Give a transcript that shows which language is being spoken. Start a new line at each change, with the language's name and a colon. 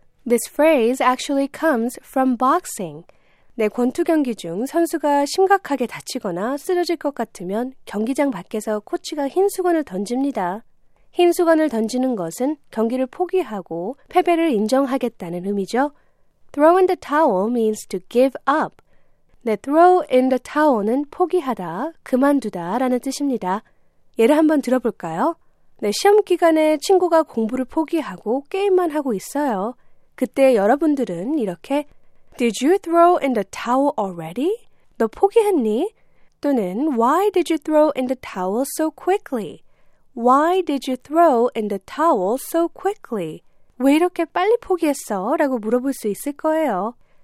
English: This phrase actually comes from boxing.
Korean: 네, 권투 경기 중 선수가 심각하게 다치거나 쓰러질 것 같으면 경기장 밖에서 코치가 흰 수건을 던집니다. 흰 수건을 던지는 것은 경기를 포기하고 패배를 인정하겠다는 의미죠.
English: Throw in the towel means to give up.
Korean: 네,
English: throw in the towel
Korean: 는 포기하다, 그만두다 라는 뜻입니다. 예를 한번 들어볼까요? 네, 시험 기간에 친구가 공부를 포기하고 게임만 하고 있어요. 그때 여러분들은 이렇게
English: Did you throw in the towel already?
Korean: 너 포기했니?
English: 또는 Why did you throw in the towel so quickly? Why did you throw in the towel so quickly?
Korean: 왜 이렇게 빨리 포기했어? 라고 물어볼 수 있을 거예요.